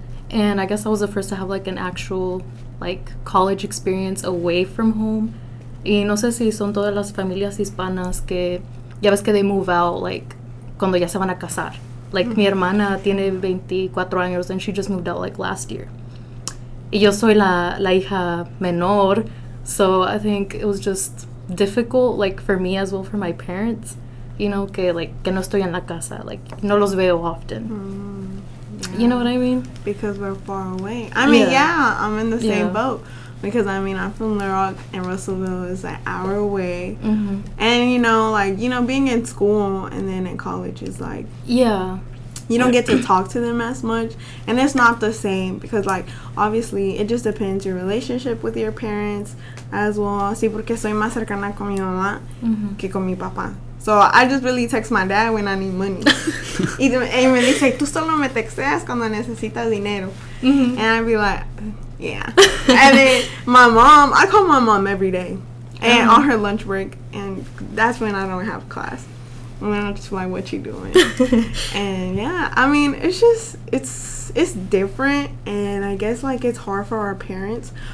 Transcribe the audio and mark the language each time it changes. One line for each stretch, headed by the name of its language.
English: And I guess I was the first to have like an actual like college experience away from home.
Spanish: Y no sé si son todas las familias hispanas que ya ves que
English: they move out like
Spanish: cuando ya se van a casar.
English: Like
Spanish: mi hermana tiene 24 años
English: and she just moved out like last year.
Spanish: Y yo soy la hija menor,
English: so I think it was just difficult like for me as well for my parents, you know, que like
Spanish: que no estoy en la casa,
English: like
Spanish: no los veo
English: often. You know what I mean? Because we're far away. I mean, yeah, I'm in the same boat. Because I mean, I'm from Little Rock and Russellville is an hour away. And being in school and then in college is like, you don't get to talk to them as much. And it's not the same because, like, obviously, it just depends your relationship with your parents as well.
Spanish: Sí, porque soy más cercana con mi mamá que con mi papá.
English: So I just really text my dad when I need money.
Spanish: Y me dice, tú solo me texteas cuando necesitas dinero.
English: And I'd be like, yeah. And then my mom, I call my mom every day and on her lunch break, and that's when I don't have class. And then I'm just like, what you doing? And yeah, I mean, it's different, and I guess like it's hard for our parents.